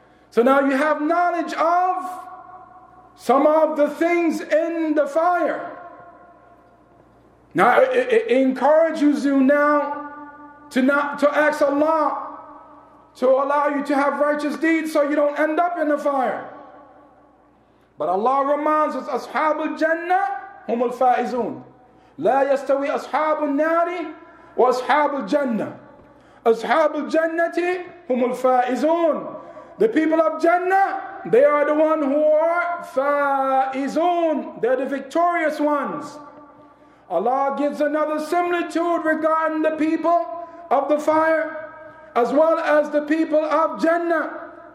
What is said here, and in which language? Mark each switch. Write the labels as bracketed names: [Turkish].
[English] So now you have knowledge of some of the things in the fire. Now it encourages you now to ask Allah to allow you to have righteous deeds so you don't end up in the fire. But Allah reminds us, [Arabic] أصحاب الجنة هم الفائزون. لا يستوي أصحاب النار وأصحاب الجنة. أصحاب الجنة هم الفائزون. [English] The people of Jannah, they are the ones who are فائزون. They're the victorious ones. Allah gives another similitude regarding the people of the fire, as well as the people of Jannah.